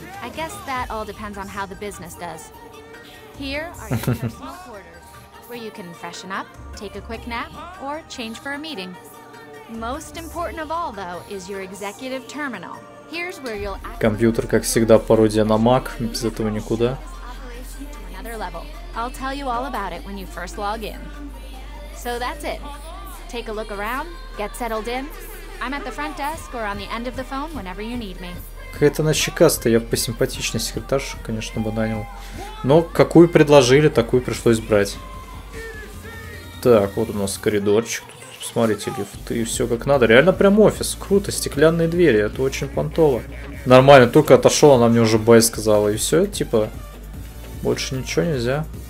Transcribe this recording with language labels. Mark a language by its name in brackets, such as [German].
[English] I guess that all depends on how the business does. Here are your personal quarters, where you can freshen up, take a quick nap, or change for a meeting. Most important of all, though, is your executive terminal. Here's where you'll. [Russian] Компьютер, как всегда, пародия на Mac. Без этого никуда. [English] Another level. I'll tell you all about it when you first log in. So that's it. Take a look around, get settled in. I'm at the front desk or on the end of the phone whenever you need me. [Russian] Какая-то она щекастая, я бы посимпатичнее секретаршу, конечно, бы нанял. Но какую предложили, такую пришлось брать. Так, вот у нас коридорчик. Тут, посмотрите, лифты, все как надо. Реально прям офис, круто, стеклянные двери, это очень понтово. Нормально, только отошел, она мне уже бай сказала. И все, типа, больше ничего нельзя.